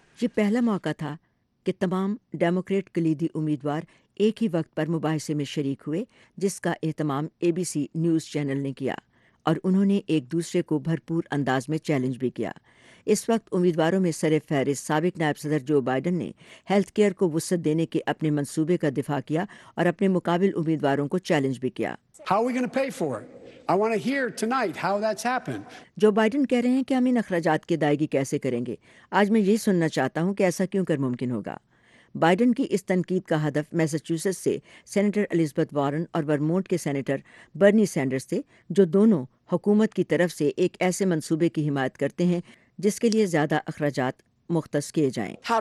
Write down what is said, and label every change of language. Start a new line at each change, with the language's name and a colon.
Urdu: یہ پہلا موقع تھا کہ تمام ڈیموکریٹ کلیدی امیدوار ایک ہی وقت پر مباحثے میں شریک ہوئے، جس کا اہتمام اے بی سی نیوز چینل نے کیا، اور انہوں نے ایک دوسرے کو بھرپور انداز میں چیلنج بھی کیا۔ اس وقت امیدواروں میں سر فہرست سابق نائب صدر جو بائیڈن نے ہیلتھ کیئر کو وسعت دینے کے اپنے منصوبے کا دفاع کیا اور اپنے مقابل امیدواروں کو چیلنج بھی کیا۔
English: How are we gonna pay for it? I want to hear tonight how that's happened.
Urdu: Joe Biden کہہ رہے ہیں کہ ہم ان اخراجات کی ادائیگی کیسے کریں گے، آج میں یہ سننا چاہتا ہوں کہ ایسا کیوں کر ممکن ہوگا۔ بائیڈن کی اس تنقید کا ہدف میساچوسٹس سے سینیٹر الیزبتھ وارن اور ورمونٹ کے سینیٹر برنی سینڈرز تھے، جو دونوں حکومت کی طرف سے ایک ایسے منصوبے کی حمایت کرتے ہیں جس کے لیے زیادہ اخراجات مختص کیے جائیں۔